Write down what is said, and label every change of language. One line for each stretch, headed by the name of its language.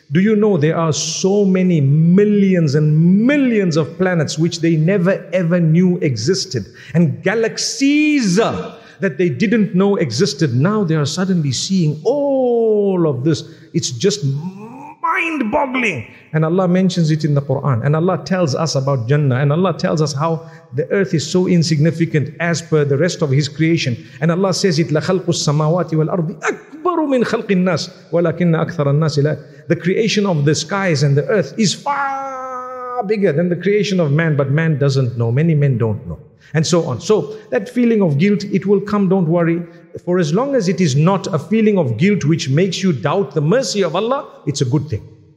English: Do you know there are so many millions and millions of planets which they never ever knew existed, and galaxies that they didn't know existed. Now they are suddenly seeing all of this. It's just mind-boggling. And Allah mentions it in the Quran. And Allah tells us about Jannah. And Allah tells us how the earth is so insignificant as per the rest of His creation. And Allah says it,
Arabic: لَخَلْقُ السَّمَاوَاتِ وَالْأَرْضِ أَكْبَرُ مِنْ خَلْقِ النَّاسِ وَلَكِنَّ أَكْثَرَ النَّاسِ لَا.
English: The creation of the skies and the earth is far bigger than the creation of man. But man doesn't know. Many men don't know. And so on. So that feeling of guilt, it will come, don't worry. For as long as it is not a feeling of guilt which makes you doubt the mercy of Allah, it's a good thing.